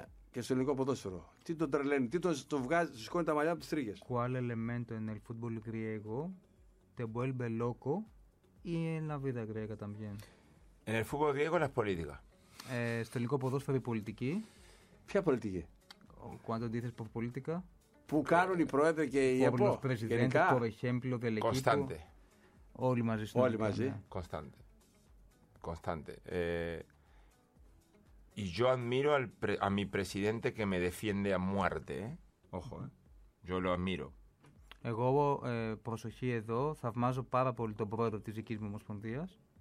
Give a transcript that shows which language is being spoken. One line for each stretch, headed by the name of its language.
Greek: Και στο ελληνικό ποδόσφαιρο. Τι τον τρελαίνει, τι τον βγάζει, σηκώνει τα μαλλιά από τις τρίγες.
Spanish: Qual elemento en el fútbol griego te vuelve loco y en la vida griega también? En el fútbol griego las políticas.
Greek: Στο ελληνικό ποδόσφαιρο η πολιτική. Ποια πολιτική?
Spanish: Cuando dices por política.
Greek: Που κάνουν οι πρόεδροι και οι ΕΠΟ.
Spanish: Por los presidentes, por ejemplo, del equipo. Constante.
Greek: Όλοι μαζί. Όλοι μαζί.
Spanish: Constante. Constante. Y yo admiro a mi presidente que me defiende a muerte, ¿eh? Ojo, yo lo admiro.
Greek: Εγώ, προσοχή εδώ, θαυμάζω πάρα πολύ τον πρόεδρο της δικής μου ομοσπονδίας.